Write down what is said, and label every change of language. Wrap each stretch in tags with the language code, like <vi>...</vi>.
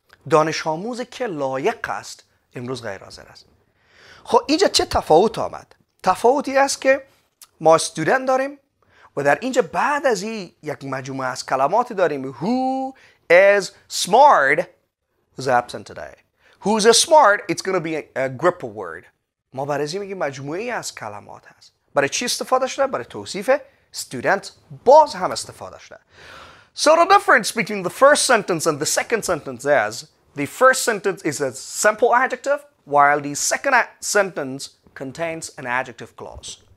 <fa>دانش آموز که لایق است امروز غیر حاضر است. خب اینجا چه تفاوت آمد؟ تفاوتی است که ما student داریم و در اینجا بعد از این یک مجموعه از کلمات داریم</fa> <en>who is smart is absent today. Who's smart, it's going to be a grip of word.</en> <fa>ما برای زی میگیم مجموعه از کلمات هست. برای چی استفاده شده؟ برای توصیفه student باز هم استفاده شده.</fa> <en>So the difference between the first sentence and the second sentence is the first sentence is a simple adjective while the second sentence contains an adjective clause.</en>